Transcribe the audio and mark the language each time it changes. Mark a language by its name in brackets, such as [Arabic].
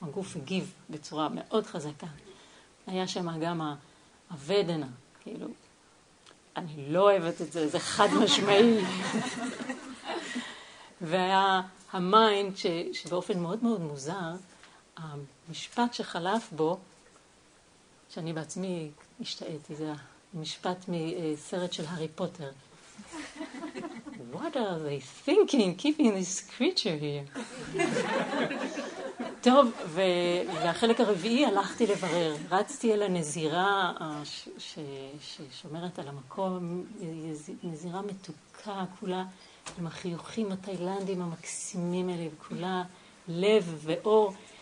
[Hebrew] הגוף הגיב בצורה מאוד חזקה. היה שם גם הוודנה, כאילו, אני לא אוהבת את זה, זה חד משמעי. והיה המיינד שבאופן מאוד מאוד מוזר, המשפט שחלף בו, שאני בעצמי השתעיתי, זה משפט מסרט של הרי פוטר. [English] What are they thinking, keeping this creature here? [Hebrew] טוב, והחלק הרביעי הלכתי לברר. רצתי אל הנזירה ששומרת על המקום, נזירה מתוקה, כולה עם החיוכים התאילנדים המקסימים האלה, כולה לב ואור.